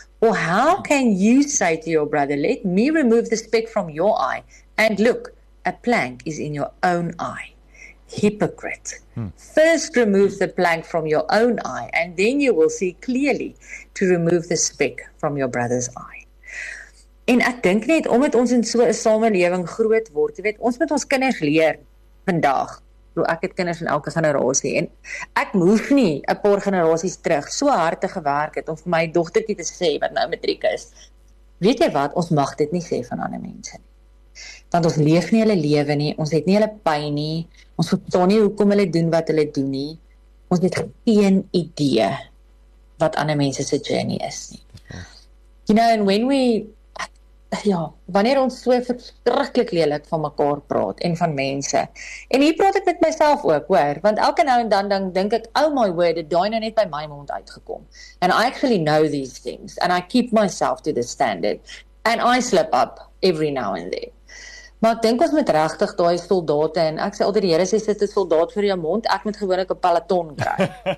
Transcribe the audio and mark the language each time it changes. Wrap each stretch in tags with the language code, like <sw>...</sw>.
<en>Or how can you say to your brother, let me remove the speck from your eye, and look, a plank is in your own eye? Hypocrite. First remove the plank from your own eye, and then you will see clearly to remove the speck from your brother's eye.</en> <af>En ek dink net, omdat ons in so 'n samelewing groot word, jy weet, ons moet ons kinders leer vandag, hoe ek het kinders in elke generasie, en ek hoef nie 'n paar generasies terug so hard te gewerk het om vir my dogtertjie te sê wat nou matriek is. Weet jy wat, ons mag dit nie sê van ander mense nie. Want ons leef nie hulle lewe nie, ons het nie hulle pyn nie, ons verstaan nie hoekom hulle doen wat hulle doen nie, ons het geen idee wat ander mense se journey is nie.</af> <en>You know, and when we,</en> <af>ja, wanneer ons so verskriklik lelik van mekaar praat en van mense, en hier praat ek met myself ook, hoor, want elke nou en dan dink ek, oh my word, het daai nou net by my mond uitgekom.</af> <en>And I actually know these things, and I keep myself to the standard, and I slip up every now and then.</en> <af>Maar ek dink ons moet regtig daai soldate, en ek sê altyd die Here sê, sit 'n soldaat vir jou mond, ek moet gewoonlik 'n peloton kry.</af>